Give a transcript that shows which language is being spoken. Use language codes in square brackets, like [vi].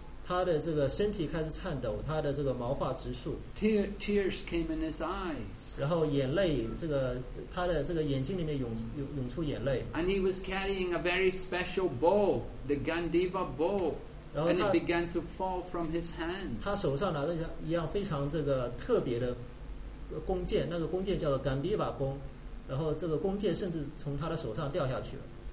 [zh] 他的这个身体开始颤抖，他的这个毛发直竖。 [en] Tears came in his eyes. [zh] 然后眼泪，这个他的这个眼睛里面涌出眼泪。 [en] And he was carrying a very special bow, the Gandiva bow, and it began to fall from his hand. [zh] 他手上拿着一样非常这个特别的弓箭，那个弓箭叫做 Gandiva 弓，然后这个弓箭甚至从他的手上掉下去了。